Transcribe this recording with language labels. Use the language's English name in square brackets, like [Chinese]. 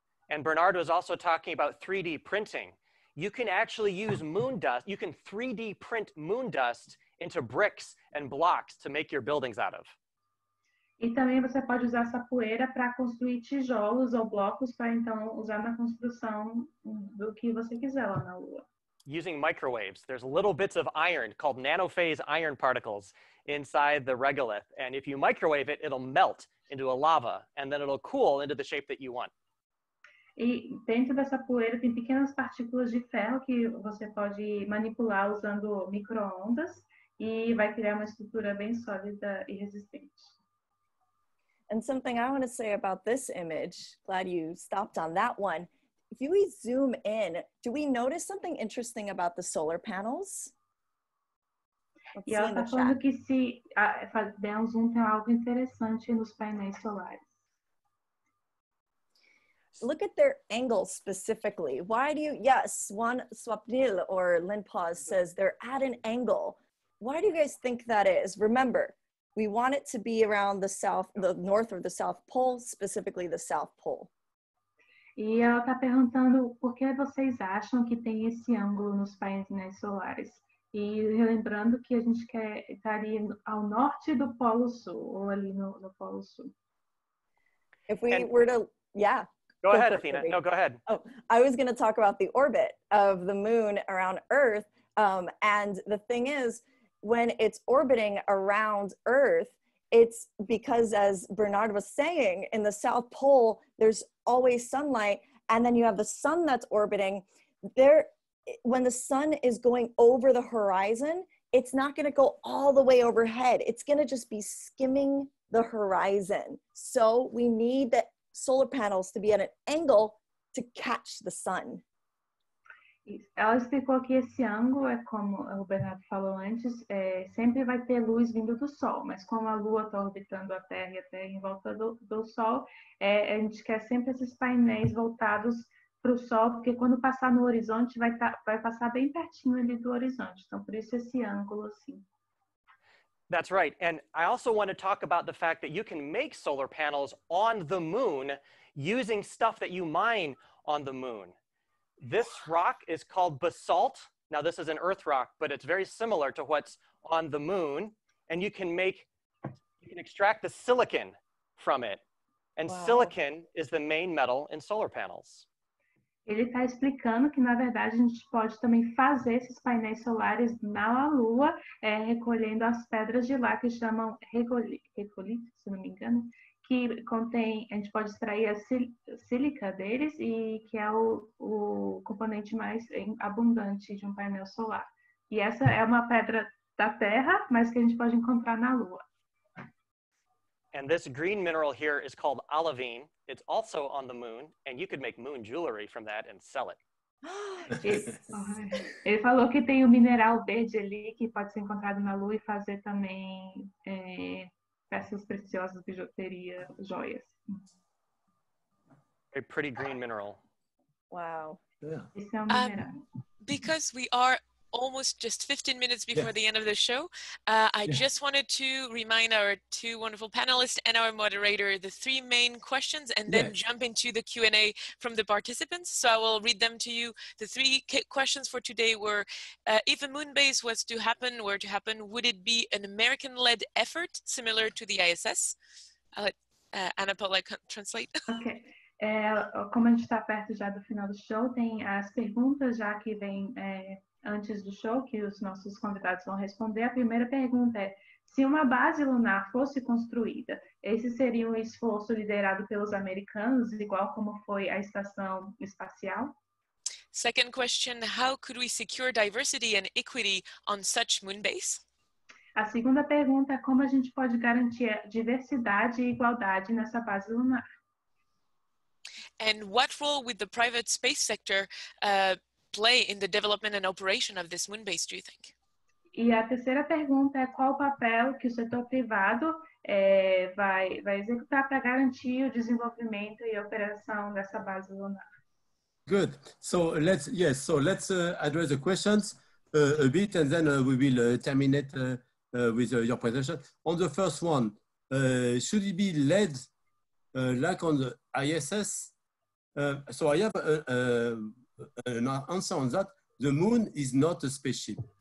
[English] And Bernard was also talking about 3D printing. You can actually use moon dust, you can 3D print moon dust into bricks and blocks to make your buildings out of. [Portuguese] E também você pode usar essa poeira para construir tijolos ou blocos para então usar na construção do que você quiser lá na Lua. [English] Using microwaves, there's little bits of iron called nanophase iron particles inside the regolith. And if you microwave it, it'll melt into a lava and then it'll cool into the shape that you want. [Portuguese] E dentro dessa poeira tem pequenas partículas de ferro que você pode manipular usando micro-ondas e vai criar uma estrutura bem sólida e resistente. [English] And something I want to say about this image, glad you stopped on that one. If we zoom in, do we notice something interesting about the solar panels? [Portuguese] E ela está falando que se der um zoom tem algo interessante nos painéis solares. [English] Look at their angles specifically. Why do you, yes, one Swapnil or Linpaz says they're at an angle. Why do you guys think that is? Remember, we want it to be around the north or the south pole, specifically the south pole. [Portuguese] E ela está perguntando por que vocês acham que tem esse ângulo nos painéis solares. E relembrando que a gente quer estar ao norte do polo sul, ou ali no polo sul. [English] If we were to, yeah. Go ahead, Athena. No, go ahead. Oh, I was going to talk about the orbit of the moon around Earth. And the thing is, when it's orbiting around Earth, it's because, as Bernard was saying, in the South Pole, there's always sunlight. And then you have the sun that's orbiting. There, when the sun is going over the horizon, it's not going to go all the way overhead. It's going to just be skimming the horizon. So we need that solar panels to be at an angle to catch the sun. [Portuguese] Ela explicou que esse ângulo é como o Bernardo falou antes, sempre vai ter luz vindo do sol, mas como a lua está orbitando a Terra e a Terra em volta do sol, a gente quer sempre esses painéis voltados para o sol, porque quando passar no horizonte, vai passar bem pertinho ali do horizonte. Então, por isso esse ângulo assim. [English] That's right. And I also want to talk about the fact that you can make solar panels on the moon using stuff that you mine on the moon. This rock is called basalt. Now, this is an earth rock, but it's very similar to what's on the moon. And you can make, you can extract the silicon from it. And silicon is the main metal in solar panels. [Portuguese] Ele está explicando que, na verdade, a gente pode também fazer esses painéis solares na Lua, é, recolhendo as pedras de lá, que chamam regolito, se não me engano, que contém, a gente pode extrair a sílica deles, e que é o componente mais abundante de um painel solar. E essa é uma pedra da Terra, mas que a gente pode encontrar na Lua. [English] And this green mineral here is called olivine. It's also on the moon, and you could make moon jewelry from that and sell it. [Portuguese] Ele falou que tem um mineral verde ali que pode ser encontrado na Lua e fazer também peças preciosas, bijuteria, joias. [English] A pretty green mineral. Wow. Yeah. [Portuguese] Esse é um mineral. [English] Because we are almost just 15 minutes before the end of the show. I just wanted to remind our two wonderful panelists and our moderator the three main questions and then jump into the Q&A from the participants. So I will read them to you. The three questions for today were, if a moon base was to happen, were to happen, would it be an American-led effort similar to the ISS? I'll let Ana Paula translate. Okay. [Portuguese] É, como a gente está perto já do final do show, tem as perguntas já que vêm antes do show, que os nossos convidados vão responder. A primeira pergunta é, se uma base lunar fosse construída, esse seria um esforço liderado pelos americanos, igual como foi a estação espacial? [English] Second question, how could we secure diversity and equity on such moon base? [Portuguese] A segunda pergunta é, como a gente pode garantir diversidade e igualdade nessa base lunar? [English] And what role would the private space sector play in the development and operation of this moon base, do you think? [Portuguese] E a terceira pergunta é qual o papel que o setor privado vai executar para garantir o desenvolvimento e operação dessa base lunar? [English] Good. So let's address the questions a bit, and then we will terminate with your presentation. On the first one, should it be led like on the ISS? So I have an answer on that. The moon is not a spaceship.